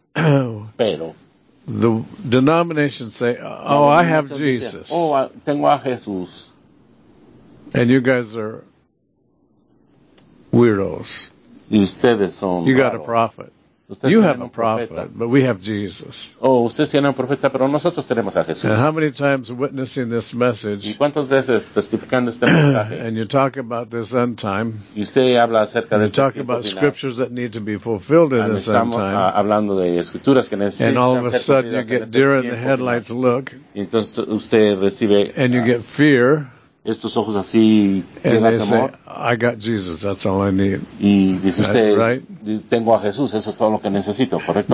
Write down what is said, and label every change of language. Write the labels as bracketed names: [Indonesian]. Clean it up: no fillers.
[Spanish] pero, [English] the denominations say, oh, I have Jesus. [Spanish] Dice, oh, tengo a Jesús. [English] And you guys are weirdos. [Spanish] Y ustedes son [English] you got a prophet. You have a prophet, but we have Jesus. [Spanish] Oh, ustedes tienen un profeta, pero nosotros tenemos a Jesús. [English] And how many times witnessing this message? [Spanish] ¿Y cuántas veces testificando este mensaje? [English] And you talk about this end time. [Spanish] Y usted habla acerca de [English] you talk about Scriptures that need to be fulfilled in this end time. [Spanish] Hablando de escrituras que necesitan [English] and all of a sudden you get deer in the headlights look. [Spanish] Entonces usted recibe, [English] and you get fear. [Spanish] Estos ojos así, [English] and they [Spanish] temor. [English] Say, I got Jesus, that's all I need. [Spanish] Y dice usted, right? Tengo a Jesús, eso es todo lo que necesito, ¿correcto?